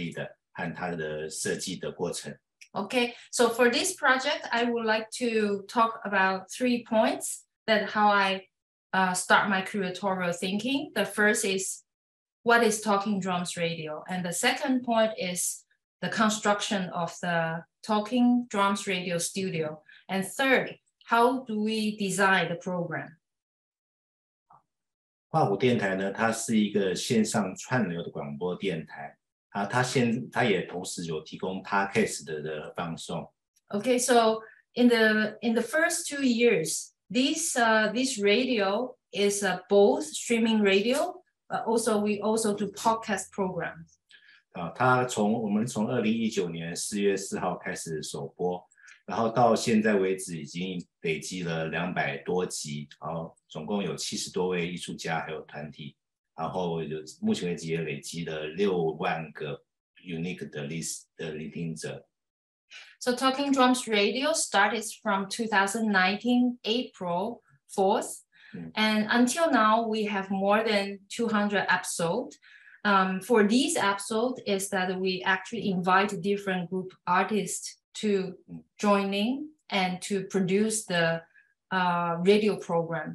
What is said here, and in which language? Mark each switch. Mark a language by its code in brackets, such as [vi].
[zh] 好，我在这里头，我首先要介绍三点，就是什么是跨国电台，跨国电台是如何建立的，和它的设计的过程。 [en] Okay, so for this project, I would like to talk about 3 points that how I start my curatorial thinking. The first is, what is Talking Drums Radio? And the second point is the construction of the Talking Drums Radio studio. And third, how do we design the program? [zh] 跨国电台呢，它是一个线上串流的广播电台。他也同时有提供 podcast 的放送。 [en] Okay, so in the first 2 years, this radio is both streaming radio, but also we also do podcast programs. [zh] 他从我们从 2019年 4月4号开始首播。然后到现在为止已经累积了200多集，然后总共有70多位艺术家还有团体，然后目前为止也累积了6万个 unique 的聆听者。So [en] Talking Drums Radio started from 2019 April 4th, and until now we have more than 200 episodes. For these episodes, is that we actually invite different group artists to joining and to produce the radio program.